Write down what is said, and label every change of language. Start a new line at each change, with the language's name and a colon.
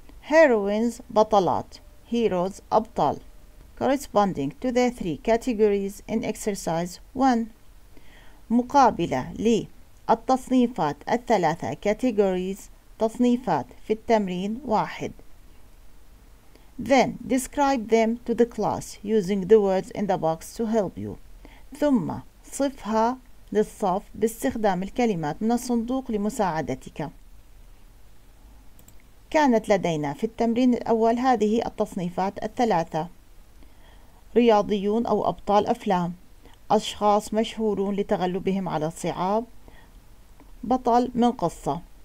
English: Heroines بطلات. Heroes أبطال. Corresponding to the three categories in exercise 1.
Arabic: مقابلة لي التصنيفات الثلاثة categories تصنيفات في التمرين واحد.
English: Then describe them to the class using the words in the box to help you.
Arabic: ثم صفها للصف باستخدام الكلمات من الصندوق لمساعدتك. كانت لدينا في التمرين الأول هذه التصنيفات الثلاثة: رياضيون أو أبطال أفلام، أشخاص مشهورون لتغلبهم على الصعاب، بطل من قصة.